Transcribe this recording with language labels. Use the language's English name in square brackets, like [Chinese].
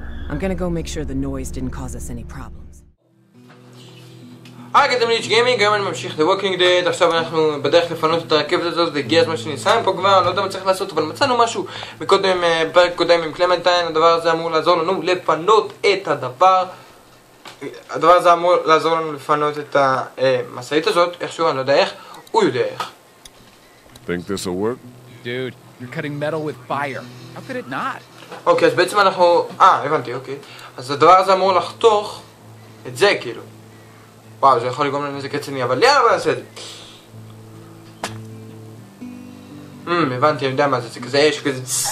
[English] I'm gonna go make sure the noise didn't cause us any problems. [Hebrew] היי, אתם ליץ' גיימינג, היום אני ממשיך The Walking Dead. עכשיו אנחנו בדרך לפנות את הרכבת הזאת, זה הגיע הזמן שניסה עם פה כבר, לא יודע מה צריך לעשות, אבל מצאנו משהו מקודם, בפרק קודם עם קלמנטיין. הדבר הזה אמור לעזור לנו לפנות את הדבר. הדבר הזה אמור לעזור לנו לפנות את המסעית הזאת, איכשהו, אני לא יודע איך, הוא יודע איך. [English] Think this will work? Dude, you're cutting metal with fire. How could it not? [Hebrew] אוקיי, אז בעצם אנחנו... הבנתי, אוקיי. אז הדבר הזה אמור לחתוך את זה, כאילו. וואו, זה יכול לגרום לנו איזה קצני, אבל יאללה, בוא נעשה את זה. הבנתי, אני יודע מה זה, זה כזה אש, כזה...